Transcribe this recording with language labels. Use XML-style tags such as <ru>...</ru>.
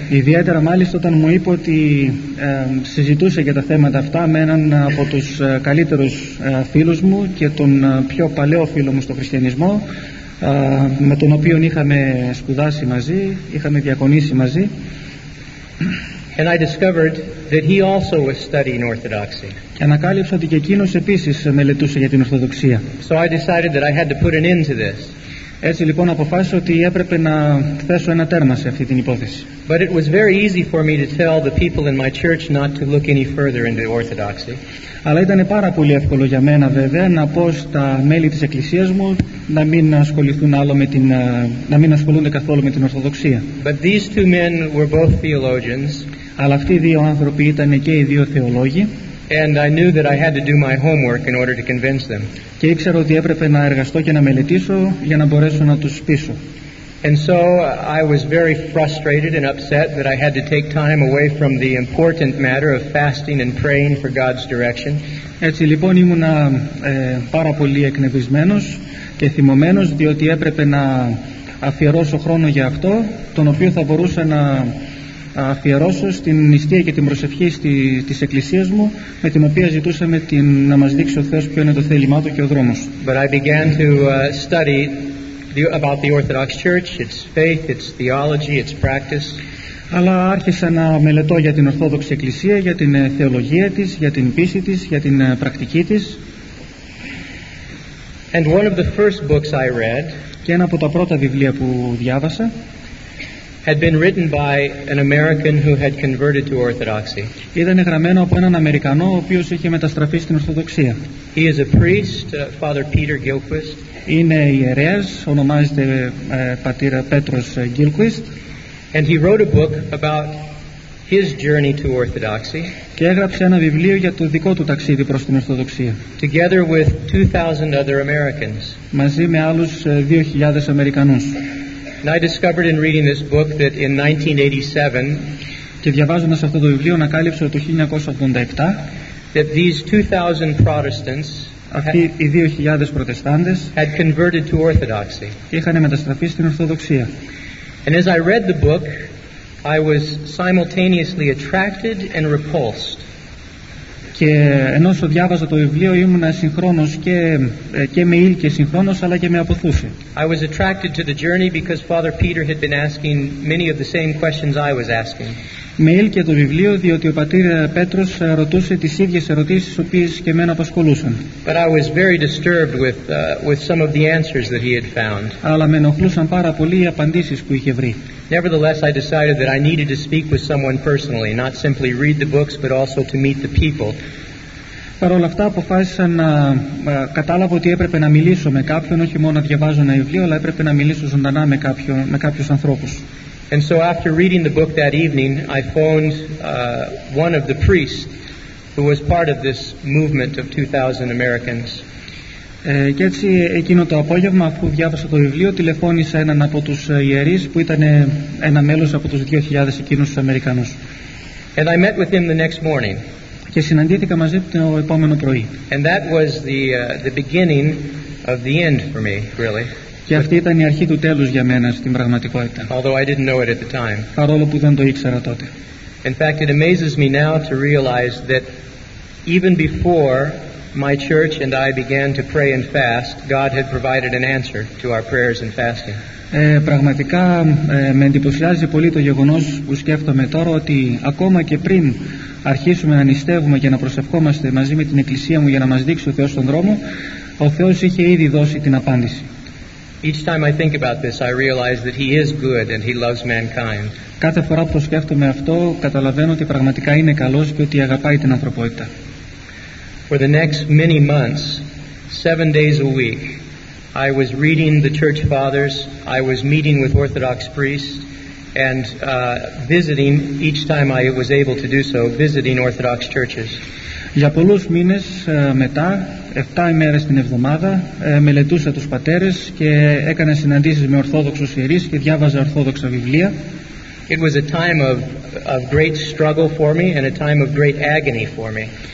<el>Ιδιαίτερα μάλιστα όταν μου είπε ότι συζητούσε για τα θέματα αυτά με έναν από τους καλύτερους φίλους μου και τον πιο παλαιό φίλο μου στο χριστιανισμό, με τον οποίο είχαμε σπουδάσει μαζί, είχαμε διακονήσει μαζί.</el> <en>And I discovered that he also was studying Orthodoxy.</en> <el>Και ανακάλυψα ότι και εκείνος επίσης μελετούσε για την Ορθοδοξία.</el> <en>So I decided that I had to put an end to this.</en> <el>Έτσι λοιπόν αποφάσισα ότι έπρεπε να θέσω ένα τέρμα σε αυτή την υπόθεση.</el> <en>But it was very easy for me to tell the people in my church not to look any further into Orthodoxy.</en> <el>Αλλά ήταν πάρα πολύ εύκολο για μένα βέβαια να πω στα μέλη της εκκλησίας μου να μην ασχοληθούν άλλο με την, να μην ασχολούνται καθόλου με την Ορθοδοξία.</el> <en>But these two men were both theologians.</en> <el>Αλλά αυτοί οι δύο άνθρωποι ήταν και οι δύο θεολόγοι.</el> <en>And I knew that I had to do my homework in order to convince them.</en> <el>Και ήξερα ότι έπρεπε να εργαστώ και να μελετήσω για να μπορέσω να τους πείσω.</el> <en>And so I was very frustrated and upset that I had to take time away from the important matter of fasting and praying for God's direction.</en> <el>Έτσι λοιπόν ήμουνα πάρα πολύ εκνευρισμένος και θυμωμένος διότι έπρεπε να αφιερώσω χρόνο για αυτό, τον οποίο θα μπορούσα να αφιερώσω στην νηστεία και την προσευχή της εκκλησίας μου, με την οποία ζητούσαμε να μας δείξει ο Θεός ποιο είναι το θέλημά του και ο δρόμος.</el> <en>But I began to study about the Orthodox Church, its faith, its theology, its practice.</en> <el>Αλλά άρχισα να μελετώ για την Ορθόδοξη Εκκλησία, για την θεολογία της, για την πίστη της, για την πρακτική της.</el> <en>And one of the first books I read,</en> <el>και ένα από τα πρώτα βιβλία που διάβασα,</el> <en>had been written by an American who had converted to Orthodoxy.</en> <el>Ήταν γραμμένο από έναν Αμερικανό ο οποίος είχε μεταστραφεί στην Ορθοδοξία.</el> <en>He is a priest, Father Peter Gilquist.</en> <el>Είναι ιερέας, ονομάζεται Πατήρ Πέτρος Γκίλκουιστ.</el> <en>And he wrote a book about his journey to Orthodoxy.</en> <el>Και έγραψε ένα βιβλίο για το δικό του ταξίδι προς την Ορθοδοξία.</el> <en>Together with 2,000 other Americans.</en> <el>Μαζί με άλλους 2,000 Αμερικανούς.</el> <en>And I discovered in reading this book that in 1987,</en> <el>και διαβάζοντας αυτό το βιβλίο, ανακάλυψα το 1987,</el> <en>that these 2,000 Protestants,</en> <el>αυτοί οι 2,000 Προτεστάντες,</el> <en>had converted to Orthodoxy.</en> <el>Είχαν μεταστραφεί στην Ορθοδοξία.</el> <en>And as I read the book, I was simultaneously attracted and repulsed.</en> <el>Και ενώ σου διάβαζα το βιβλίο ήμουν συγχρόνος και με ήλ και συγχρόνος αλλά και με αποθούσε.</el> <en>I was attracted to the journey because Father Peter had been asking many of the same questions I was asking.</en> <el>Με ήλ και το βιβλίο διότι ο πατήρ Πέτρος ρωτούσε τις ίδιες ερωτήσεις τις οποίες και εμένα απασχολούσαν.</el> <en>But I was very disturbed with some of the answers that he had found.</en> <el>Αλλά με ενοχλούσαν πάρα πολύ οι απαντήσεις που είχε βρει.</el> <en>Nevertheless, I decided that I needed to speak with someone personally, not simply read the books, but also to meet the people.</en> <el>Παρ' όλα αυτά, αποφάσισα να κατάλαβω ότι έπρεπε να μιλήσω με κάποιον, όχι μόνο να διαβάζω ένα βιβλίο, αλλά έπρεπε να μιλήσω ζωντανά με κάποιους ανθρώπους.</el> <en>And so, after reading the book that evening, I phoned one of the priests who was part of this movement of 2,000 Americans.</en> <el>Και έτσι εκείνο το απόγευμα αφού διάβασα το βιβλίο τηλεφώνησα έναν από τους ιερείς που ήταν ένα μέλος από τους 2,000 εκείνους τους Αμερικανούς.</el> <en>And I met with him the next morning.</en> <el>Και συναντήθηκα μαζί του το επόμενο πρωί.</el> <en>And that was the beginning of the end for me, really.</en> <el>Και αυτή ήταν η αρχή του τέλους για μένα στην πραγματικότητα.</el> <en>Although I didn't know it at the time.</en> <el>Παρόλο που δεν το ήξερα τότε.</el> <en>In fact, it amazes me now to realize that even before my church and I began to pray and fast, God had provided an answer to our prayers and fasting.</en> <el>Πραγματικά με εντυπωσιάζει πολύ το γεγονός που σκέφτομαι τώρα ότι ακόμα και πριν αρχίσουμε να νηστεύουμε και να προσευχόμαστε μαζί με την Εκκλησία μου για να μας δείξει ο Θεός τον δρόμο, ο Θεός είχε ήδη δώσει την απάντηση.</el> <en>Each time I think about this, I realize that He is good and He loves mankind.</en> <el>Κάθε φορά που το σκέφτομαι αυτό, καταλαβαίνω ότι πραγματικά είναι καλός και ότι αγαπάει την ανθρωπότητα.</el> <en>For the next many months, 7 days a week, I was reading the Church Fathers, I was meeting with Orthodox priests, and visiting, each time I was able to do so, visiting Orthodox churches.</en> <el>Για πολλούς μήνες μετά, 7 ημέρες την εβδομάδα, μελετούσα τους πατέρες και έκανα συναντήσεις με Ορθόδοξους ιερείς και διάβαζα Ορθόδοξα βιβλία.</el> <en>It was a time of great struggle for me and a time of great agony for me.</en>